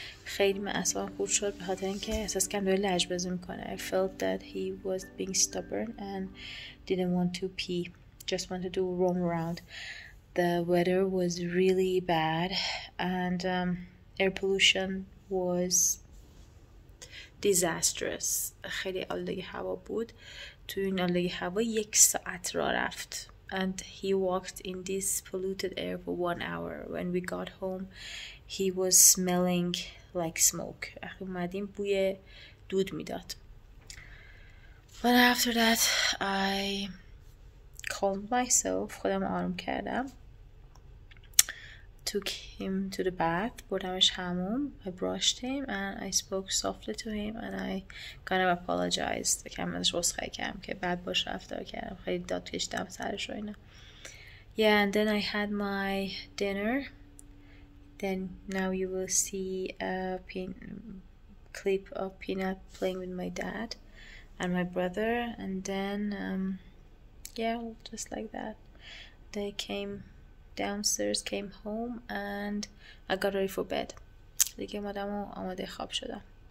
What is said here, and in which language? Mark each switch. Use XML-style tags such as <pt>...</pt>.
<fa>خیلی من اعصابم خورد شد به خاطر اینکه احساس کردم داره لجبازی میکنه.</fa> <en>I felt that he was being stubborn and didn't want to pee. Just wanted to roam around. The weather was really bad and air pollution was disastrous.</en> <fa>خیلی آلودگی هوا بود. تو این آلودگی هوا یک ساعت راه رفت.</fa> <en>And he walked in this polluted air for 1 hour. When we got home, he was smelling like smoke.</en> <fa>اخی اومدیم بوی دود میداد.</fa> <en>But after that, I calmed myself.</en> <fa>خودم آروم کردم.</fa> <en>Took him to the bath,</en> <fa>بردمش حموم,</fa> <en>I brushed him and I spoke softly to him and I kind of apologized.</en> <fa>کم ازش عذرخواهی کردم که بد باش رفتار کردم, خیلی داد کشیدم سرش و اینا.</fa> <en>Yeah, and then I had my dinner. Then now you will see a clip of Peanut playing with my dad and my brother and then yeah, just like that. They came downstairs, came home and I got ready for bed.</en> <fa>دیگه مادم آماده خواب شدم.</fa>